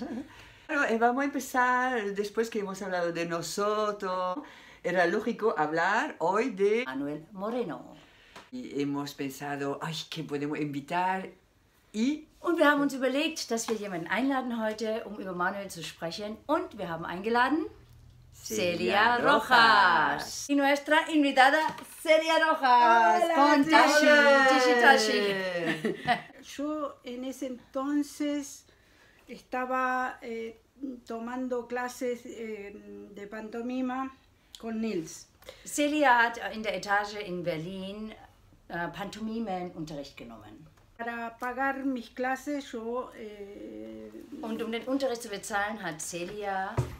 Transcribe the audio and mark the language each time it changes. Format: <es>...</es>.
<es>Bueno, vamos a empezar después que hemos hablado de nosotros. Era lógico hablar hoy de... Manuel Moreno. Y hemos pensado, ay, ¿quién podemos invitar? Y...</es> <de>Und wir haben uns überlegt, dass wir jemanden einladen heute, um über Manuel zu sprechen. Und wir haben eingeladen Celia Rojas.</de> <es>Y nuestra invitada Celia Rojas. Con Tashi. Tashi, Tashi. Yo en ese entonces estaba tomando clases de pantomima con Nils.</es> <de>Celia hat in der Etage in Berlin Pantomimenunterricht genommen.</de> <es>Para pagar mis clases, yo,</es> <de>Und um den Unterricht zu bezahlen, hat Celia</de>